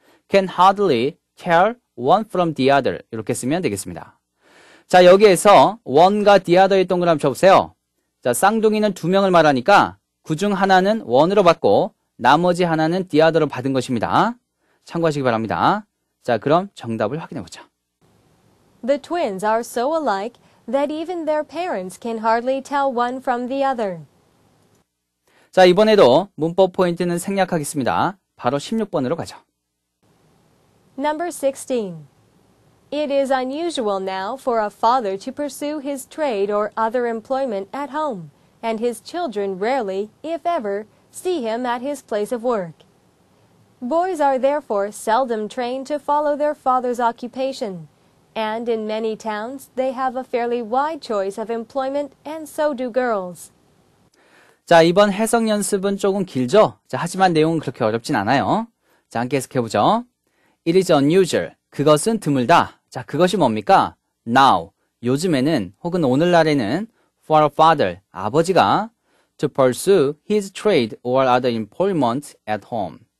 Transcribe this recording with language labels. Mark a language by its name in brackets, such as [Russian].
[English] can hardly tell one from the other [Korean] 이렇게 쓰면 되겠습니다. 자, 여기에서 one과 the other의 동그라미 쳐보세요. 자, 쌍둥이는 두 명을 말하니까 그중 하나는 one으로 받고 나머지 하나는 the other로 받은 것입니다. 참고하시기 바랍니다. 자, 그럼 정답을 확인해보죠. [English] The twins are so alike that even their parents can hardly tell one from the other. [Korean] 자, 이번에도 문법 포인트는 생략하겠습니다. 바로 16번으로 가죠. [English] Number 16. It is unusual now for a father to pursue his trade or other employment at home, and his children rarely, if ever, see him at his place of work. Boys are therefore seldom trained to follow their father's occupation. And in many towns, they have a fairly wide choice of employment, and so do girls. [Korean] 자, 이번 해석 연습은 조금 길죠? 자, 하지만 내용은 그렇게 어렵진 않아요. 자, 함께 해석해보죠. [English] It is unusual. [Korean] 그것은 드물다. 자, 그것이 뭡니까? [English] Now, [Korean] 요즘에는 혹은 오늘날에는 [English] for a father, [Korean] 아버지가 [English] to pursue his trade or other employment at home.